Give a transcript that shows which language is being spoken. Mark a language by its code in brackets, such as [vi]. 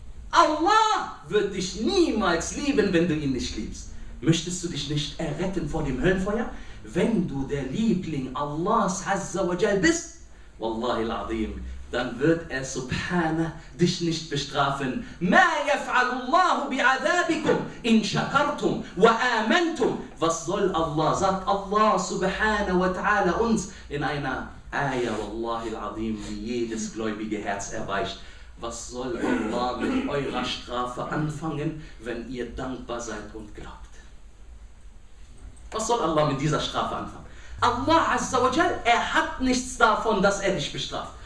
[de] Allah wird dich niemals lieben, wenn du ihn nicht liebst. Möchtest du dich nicht erretten vor dem Höllenfeuer? Wenn du der Liebling Allahs Azza wa Jal bist, Wallahi al-Azim, dann wird er, Subhana, dich nicht bestrafen. [ar] مَا يَفْعَلُ اللَّهُ بِعَذَابِكُمْ إِنْ شَكَرْتُمْ وَآمَنْتُمْ [de] Was soll Allah? Sagt Allah, Subhana wa ta'ala, uns in einer Aya, Wallahi al-Azim, die jedes gläubige Herz erweicht. Was soll Allah mit eurer Strafe anfangen, wenn ihr dankbar seid und glaubt? Was soll Allah mit dieser Strafe anfangen? Allah, Azza wa Jal, er hat nichts davon, dass er dich bestraft.